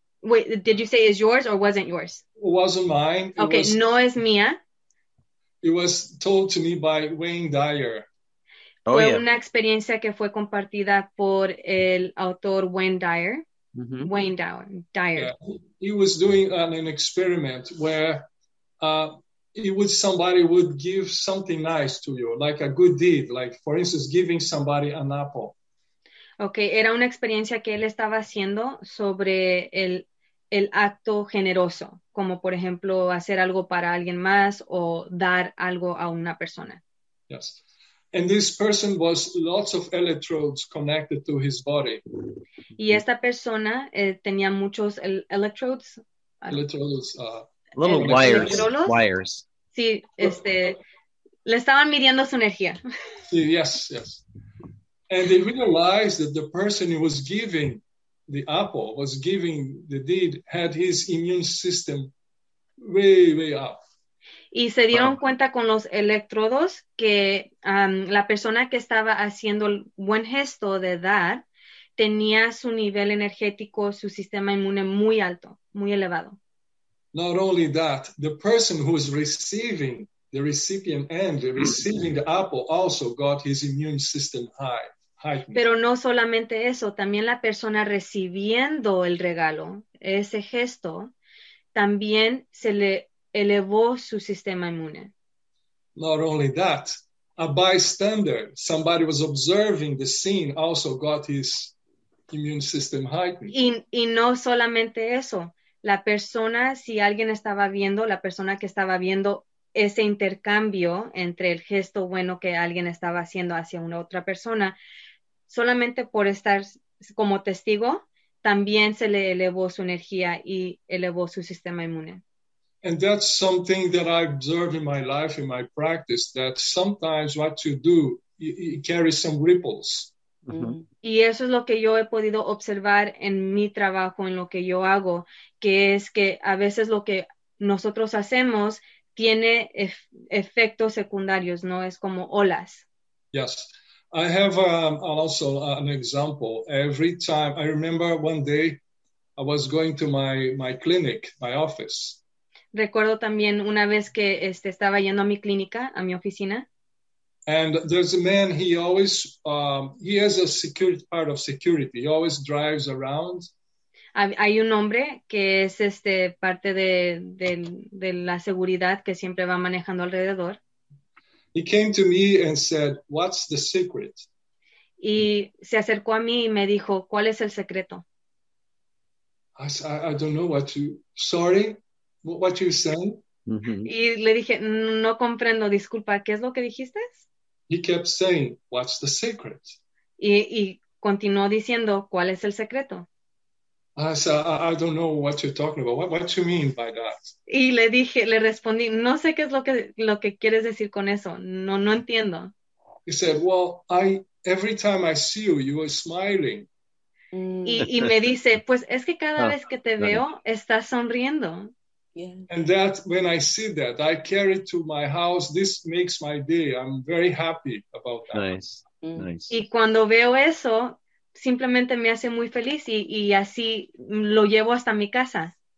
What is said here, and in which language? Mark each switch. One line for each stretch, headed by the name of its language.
English: Wait, did you say is yours or wasn't yours? It wasn't mine.
Spanish: No es mía.
English: It was told to me by Wayne Dyer.
Spanish: Oh, fue yeah. Una experiencia que fue compartida por el autor Wayne Dyer. Mm-hmm.
English: Wayne Dyer. Yeah. He was doing an experiment where somebody would give something nice to you, like a good deed, like for instance, giving somebody an apple.
Spanish: Okay, era una experiencia que él estaba haciendo sobre el acto generoso, como por ejemplo hacer algo para alguien más o dar algo a una persona.
English: Yes. And this person was lots of electrodes connected to his body.
Spanish: Y esta persona tenía muchos electrodes.
English: Electrodes. Little wires. Wires.
Spanish: Sí, le estaban midiendo su energía.
English: Sí, yes, yes. And they realized that the person who was giving the apple, was giving the deed, had his immune system way, way up.
Spanish: Y se dieron cuenta con los electrodos que la persona que estaba haciendo el buen gesto de dar tenía su nivel energético, su sistema inmune muy alto, muy elevado.
English: Not only that, the person who is receiving the recipient and receiving the apple also got his immune system high.
Spanish: Pero no solamente eso, también la persona recibiendo el regalo, ese gesto, también se le elevó su sistema inmune.
English: Not only that, a bystander, somebody was observing the scene, also got his immune system heightened.
Spanish: Y no solamente eso, la persona, si alguien estaba viendo, la persona que estaba viendo ese intercambio entre el gesto bueno que alguien estaba haciendo hacia una otra persona, solamente por estar como testigo, también se le elevó su energía y elevó su sistema inmune.
English: And that's something that I observe in my life, in my practice, that sometimes what you do, it carries some ripples. Mm-hmm.
Spanish: Y eso es lo que yo he podido observar en mi trabajo, en lo que yo hago, que es que a veces lo que nosotros hacemos tiene efectos secundarios, no es como olas.
English: Yes. I have also an example. Every time, I remember one day I was going to my clinic, my office.
Spanish: Recuerdo también una vez que estaba yendo a mi clínica, a mi oficina.
English: And there's a man, he always, he has a security, part of security. He always drives around.
Spanish: Hay un hombre que es parte de la seguridad que siempre va manejando alrededor.
English: He came to me and said, what's the secret?
Spanish: Y se acercó a mí y me dijo, ¿cuál es el secreto?
English: I don't know what you, sorry, what you said.
Spanish: Mm-hmm. Y le dije, no comprendo, disculpa, ¿qué es lo que dijiste?
English: He kept saying, what's the secret?
Spanish: Y continuó diciendo, ¿cuál es el secreto?
English: I said, I don't know what you're talking about. What do you mean by that?
Spanish: Y le dije, le respondí, no sé qué es lo que quieres decir con eso. No entiendo.
English: He said, well, every time I see you, you are smiling.
Spanish: Y me dice, pues es que cada vez que te veo, estás sonriendo.
English: Yeah. And that, when I see that, I carry it to my house. This makes my day. I'm very happy about that. Nice.
Spanish: Y cuando veo eso, simplemente me hace muy feliz y así lo llevo hasta mi casa.